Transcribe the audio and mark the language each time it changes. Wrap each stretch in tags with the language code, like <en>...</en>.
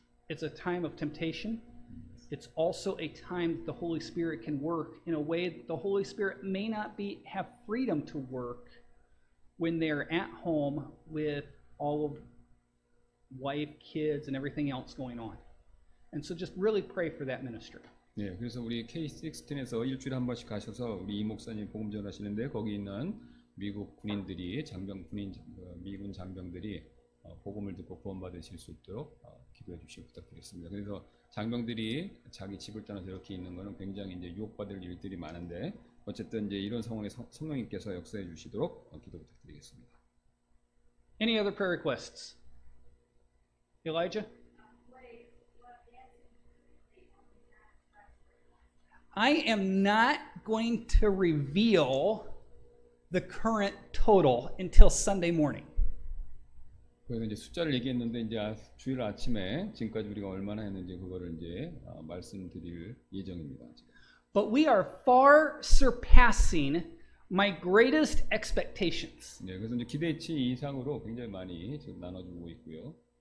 <en>It's a time of temptation. It's also a time that the Holy Spirit can work in a way that the Holy Spirit may not be have freedom to work when they're at home with all of wife, kids, and everything else going on. And so just really pray for that ministry.</en> <ko>네, 그래서 우리 K-16에서 일주일에 한 번씩 가셔서 우리 이 목사님 복음 전하시는데 거기 있는 미국 군인들이 미군 장병들이 복음을 듣고 구원받으실 수 있도록 기도해 주시기 부탁드리겠습니다. 그래서 장병들이 자기 집을 떠나서 이렇게 있는 것은 굉장히 이제 유혹받을 일들이 많은데 어쨌든 이제 이런 상황에 성령님께서 역사해 주시도록 기도 부탁드리겠습니다.</ko> <en>Any other prayer requests? Elijah? I am not going to reveal the current total until Sunday morning.</en> <ko>그래서 이제 숫자를 얘기했는데 이제 주일 아침에 지금까지 우리가 얼마나 했는지 그거를 이제 말씀드릴 예정입니다. 지금.</ko> <en>But we are far surpassing my greatest expectations.</en> <ko>네, 그래서 이제 기대치 이상으로 굉장히 많이 지금 나눠주고 있고요.</ko>